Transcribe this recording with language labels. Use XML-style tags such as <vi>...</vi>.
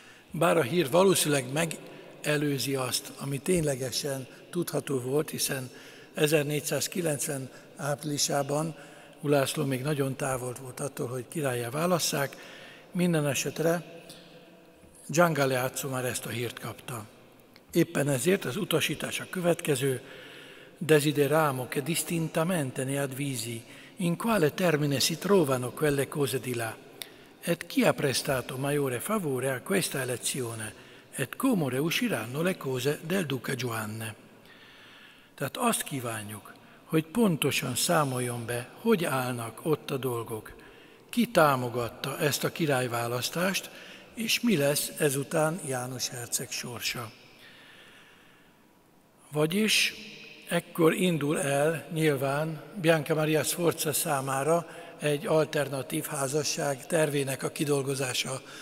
<hu>Bár a hír valószínűleg megelőzi azt, ami ténylegesen tudható volt, hiszen 1490 áprilisában Ulászló még nagyon távol volt attól, hogy királlyá válasszák. Minden esetre Gian Galeazzo már ezt a hírt kapta. Éppen ezért az utasítás a következő:</hu> <it>desideramo che distintamente ne advisi in quale termine si trovano quelle cose di là, et chi ha prestato maggiore favore a questa elezione, et comore usciranno le cose del duca Giovanni.</it> <hu>Tehát azt kívánjuk, hogy pontosan számoljon be, hogy állnak ott a dolgok, ki támogatta ezt a királyválasztást, és mi lesz ezután János herceg sorsa. Vagyis ekkor indul el nyilván Bianca Maria Sforza számára egy alternatív házasság tervének a kidolgozása.</hu>